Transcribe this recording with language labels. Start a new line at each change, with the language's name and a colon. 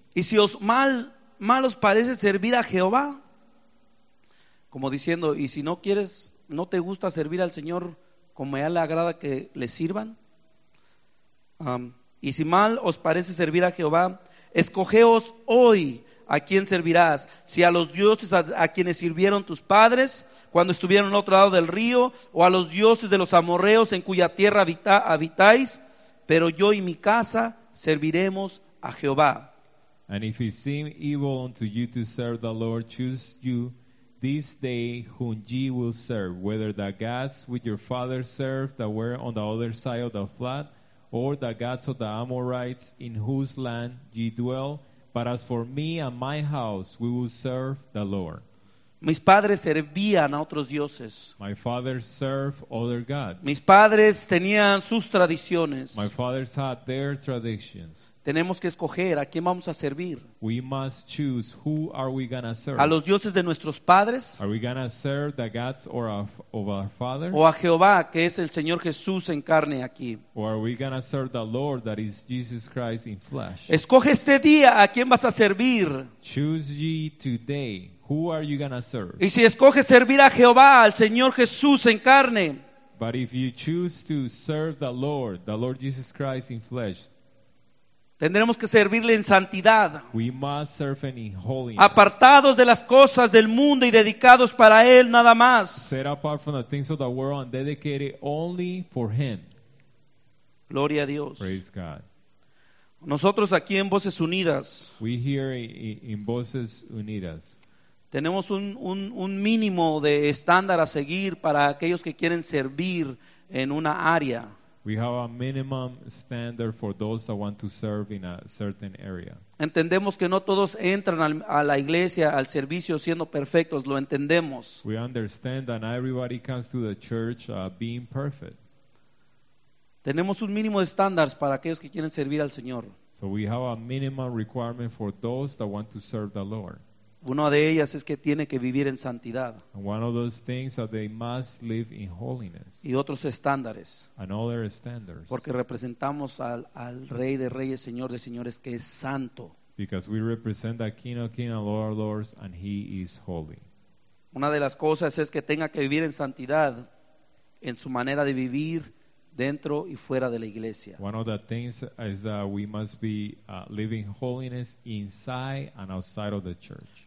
Spanish: Y si os mal os parece servir a Jehová, como diciendo, y si no te gusta servir al Señor como a él le agrada que le sirvan, y si mal os parece servir a Jehová, escogeos hoy a quién servirás. Si a los dioses a quienes sirvieron tus padres cuando estuvieron al otro lado del río, o a los dioses de los amorreos en cuya tierra habitáis, pero yo y mi casa serviremos a Jehová.
English: And if it seem evil unto you to serve the Lord, choose you this day whom ye will serve, whether the gods which your fathers served that were on the other side of the flood, or the gods of the Amorites in whose land ye dwell. But as for me and my house, we will serve the Lord.
Spanish: Mis padres servían a otros dioses.
English: My fathers served other gods.
Spanish: Mis padres tenían sus tradiciones.
English: My fathers had their traditions.
Spanish: Tenemos que escoger a quién vamos a servir.
English: We must choose who are we gonna serve.
Spanish: ¿A los dioses de nuestros padres?
English: Are we gonna serve the gods of our fathers?
Spanish: ¿O a Jehová, que es el Señor Jesús en carne aquí?
English: Or are we gonna serve the Lord that is Jesus Christ in flesh?
Spanish: Escoge este día a quién vas a servir.
English: Choose ye today who are you gonna serve.
Spanish: Y si escoges servir a Jehová, al Señor Jesús en carne.
English: But if you choose to serve the Lord Jesus Christ in flesh,
Spanish: tendremos que servirle en santidad.
English: We must serve in holiness.
Spanish: Apartados de las cosas del mundo y dedicados para él nada más.
English: Set apart from the things of the world and dedicated only for him.
Spanish: Gloria a Dios.
English: Praise God.
Spanish: Nosotros aquí en Voces Unidas.
English: We here in Voces Unidas.
Spanish: Tenemos un mínimo de estándar a seguir para aquellos que quieren servir en una área.
English: We have a minimum standard for those that want to serve in a certain area.
Spanish: Entendemos que no todos entran a la iglesia, al servicio, siendo perfectos. Lo entendemos.
English: We understand that not everybody comes to the church being perfect.
Spanish: Tenemos un mínimo de estándares para aquellos que quieren servir al Señor.
English: So we have a minimum requirement for those that want to serve the Lord.
Spanish: Una de ellas es que tiene que vivir en santidad.
English: And one of those things that they must live in holiness.
Spanish: Y otros estándares.
English: And other standards.
Spanish: Porque representamos al Rey de Reyes, Señor de Señores, que es santo.
English: Because we represent the King of Kings and Lord of Lords, and He is holy.
Spanish: Una de las cosas es que tenga que vivir en santidad en su manera de vivir dentro y fuera de la iglesia.
English: One of the things is that we must be living holiness inside and outside of the church.